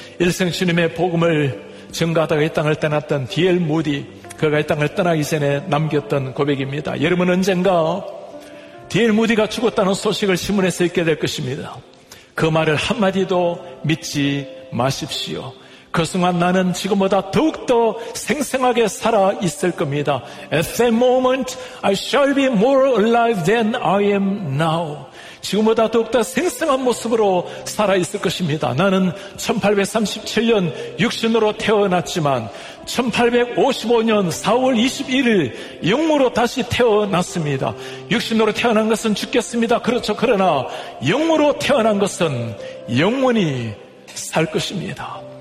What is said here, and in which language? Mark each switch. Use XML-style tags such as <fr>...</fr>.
<ko>일생 주님의 복음을 증거하다가 이 땅을 떠났던 디엘 무디, 그가 이 땅을 떠나기 전에 남겼던 고백입니다. 여러분, 언젠가 디엘 무디가 죽었다는 소식을 신문에서 읽게 될 것입니다. 그 말을 한마디도 믿지 마십시오. 그 순간 나는 지금보다 더욱더 생생하게 살아있을 겁니다.</ko> <en>At that moment I shall be more alive than I am now.</en> <ko>지금보다 더욱더 생생한 모습으로 살아있을 것입니다. 나는 1837년 육신으로 태어났지만 1855년 4월 21일 영으로 다시 태어났습니다. 육신으로 태어난 것은 죽겠습니다. 그렇죠. 그러나 영으로 태어난 것은 영원히 살 것입니다.</ko>